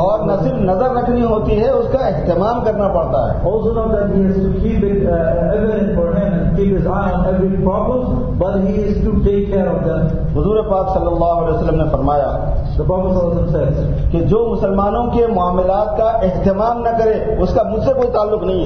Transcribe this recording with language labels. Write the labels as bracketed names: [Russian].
[Urdu] اور نہ صرف نظر رکھنی ہوتی ہے, اس کا اہتمام کرنا پڑتا ہے. [English] Also not that he has to keep it evident for him and keep his eye on every problem, but he is to take care of them. [Urdu] صلی اللہ علیہ وسلم نے فرمایا کہ جو مسلمانوں کے معاملات کا اہتمام نہ کرے اس کا مجھ سے کوئی تعلق نہیں